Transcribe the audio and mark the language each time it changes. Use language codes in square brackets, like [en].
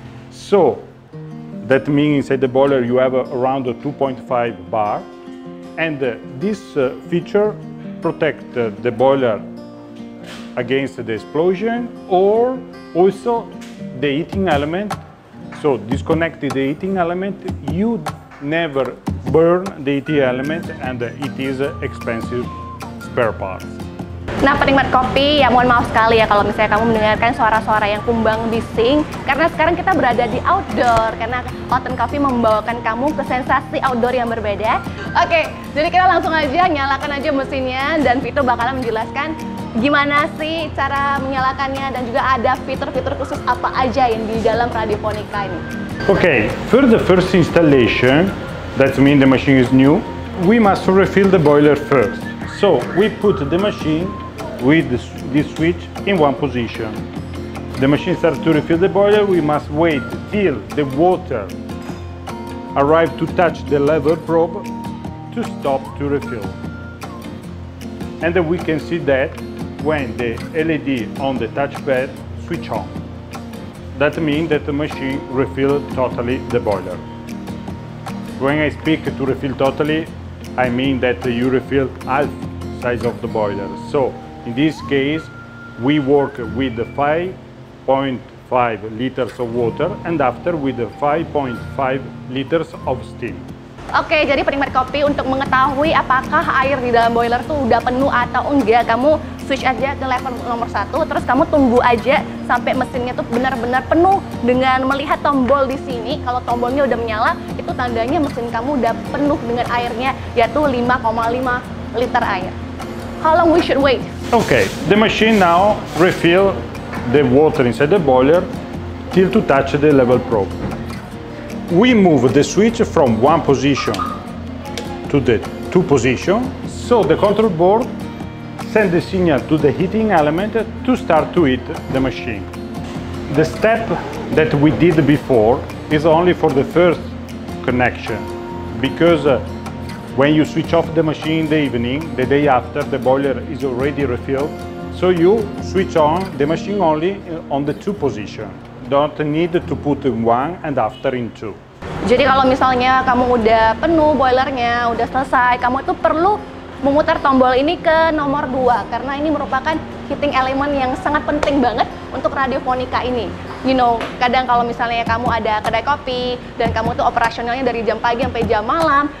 [en] So that means inside the boiler you have around 2.5 bar, and this feature protect the boiler against the explosion, or also the heating element. So disconnect the heating element, you never burn the heating element, and it is expensive spare parts. [id] Nah, penikmat kopi, ya mohon maaf sekali ya kalau misalnya kamu mendengarkan suara-suara yang kumbang bising, karena sekarang kita berada di outdoor, karena Autumn Coffee membawakan kamu ke sensasi outdoor yang berbeda. Oke, jadi kita langsung aja nyalakan aja mesinnya, dan Vito bakalan menjelaskan gimana sih cara menyalakannya, dan juga ada fitur-fitur khusus apa aja yang di dalam Radiofonica ini. [en] Oke, for the first installation, that mean the machine is new, we must refill the boiler first. So we put the machine with this switch in one position. The machine starts to refill the boiler. We must wait till the water arrives to touch the lever probe to stop to refill. And then we can see that when the LED on the touchpad switch on. That means that the machine refills totally the boiler. When I speak to refill totally, I mean that you refill half size of the boiler. So in this case we work with 5.5 liters of water, and after with 5.5 liters of steam. [id] Oke, jadi penikmat kopi, untuk mengetahui apakah air di dalam boiler tuh udah penuh atau enggak, kamu switch aja ke level nomor 1, terus kamu tunggu aja sampai mesinnya tuh benar-benar penuh dengan melihat tombol di sini. Kalau tombolnya udah menyala, itu tandanya mesin kamu udah penuh dengan airnya, yaitu 5,5 liter air. [en] How long we should wait? Okay, the machine now refill the water inside the boiler till to touch the level probe. We move the switch from one position to the two position, so the control board send the signal to the heating element to start to heat the machine. The step that we did before is only for the first connection, because when you switch off the machine in the evening, the day after, the boiler is already refilled. So you switch on the machine only on the two position. Don't need to put in one and after in two. [id] Jadi kalau misalnya kamu udah penuh boilernya, udah selesai, kamu itu perlu memutar tombol ini ke nomor 2, karena ini merupakan heating element yang sangat penting banget untuk Radiofonica ini. [en] You know, [id] kadang kalau misalnya kamu ada kedai kopi dan kamu tuh operasionalnya dari jam pagi sampai jam malam.